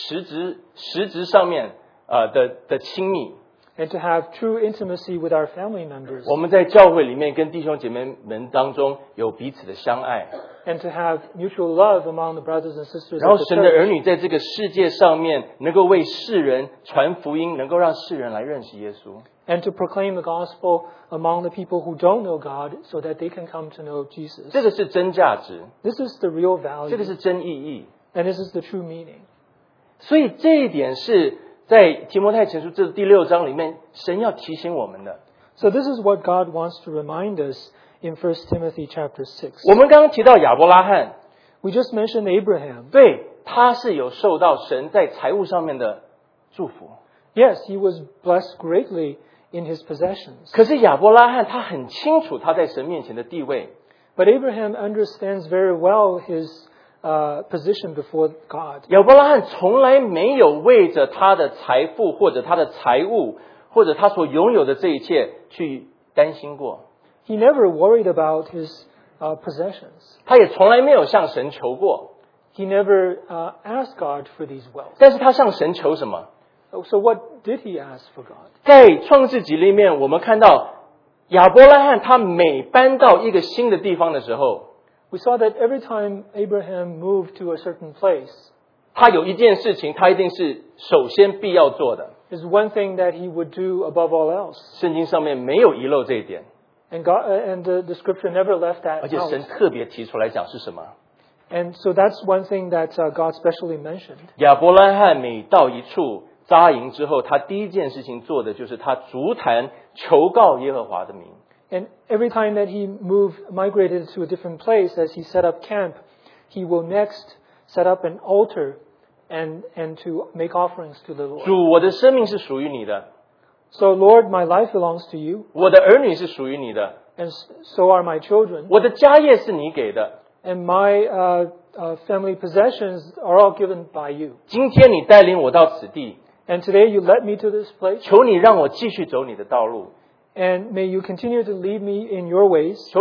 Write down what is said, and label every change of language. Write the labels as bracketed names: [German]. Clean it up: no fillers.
[Chinese] 我们跟家人，我们的生命上面有实质上面的亲密。 [English] And to have true intimacy with our family members. [Chinese] 我们在教会里面跟弟兄姐妹们当中有彼此的相爱。 [English] And to have mutual love among the brothers and sisters. [Chinese] 然后神的儿女在这个世界上面能够为世人传福音，能够让世人来认识耶稣。 [English] And to proclaim the gospel among the people who don't know God so that they can come to know Jesus. [Chinese] 这个是真价值, [English] this is the real value. [Chinese] 这个是真意义, [English] and this is the true meaning. [Chinese] 所以这一点是在提摩太前书这第六章里面神要提醒我们的。 [English] So this is what God wants to remind us in 1 Timothy chapter 6. [Chinese] 我们刚刚提到亚伯拉罕, [English] we just mentioned Abraham. [Chinese] 对,他是有受到神在财务上面的祝福。 [English] Yes, he was blessed greatly in his possessions. [Chinese] 可是亚伯拉罕他很清楚他在神面前的地位。 [English] But Abraham understands very well his position before God. [Chinese] 亚伯拉罕从来没有为着他的财富或者他的财物或者他所拥有的这一切去担心过。 [English] He never worried about his possessions. [Chinese] 他也从来没有向神求过。 [English] He never asked God for these wealth. [Chinese] 但是他向神求什么? [English] So what did he ask for God? [Chinese] 在创世纪里面，我们看到亚伯拉罕他每搬到一个新的地方的时候， [English] we saw that every time Abraham moved to a certain place, [Chinese] 他有一件事情，他一定是首先必要做的。 [English] Is one thing that he would do above all else. [Chinese] 圣经上面没有遗漏这一点。 [English] And the scripture never left that out. [Chinese] 而且神特别提出来讲是什么？ [English] And so that's one thing that God specially mentioned. [Chinese] 亚伯拉罕每到一处扎营之后，他第一件事情做的就是他筑坛求告耶和华的名。 [English] And every time that he migrated to a different place, as he set up camp, he will next set up an altar and to make offerings to the Lord. [Chinese] 主，我的生命是属于你的。 [English] So Lord, my life belongs to you. [Chinese] 我的儿女是属于你的。 [English] And so are my children. [Chinese] 我的家业是你给的。 [English] And my family possessions are all given by you. [Chinese] 今天你带领我到此地。 [English] And today you led me to this place. [Chinese] 求你让我继续走你的道路。 [English] And may you continue to lead me in your ways.